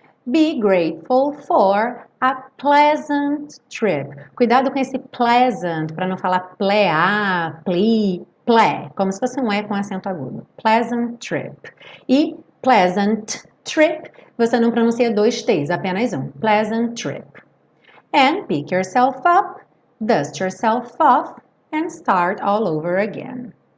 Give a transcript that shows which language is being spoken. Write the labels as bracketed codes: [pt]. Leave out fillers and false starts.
[en] Be grateful for a pleasant trip. [pt] Cuidado com esse pleasant, para não falar plea, plea, ple, como se fosse um E com acento agudo. Pleasant trip. E pleasant trip, você não pronuncia dois T's, apenas um. Pleasant trip. [en] And pick yourself up, dust yourself off, and start all over again.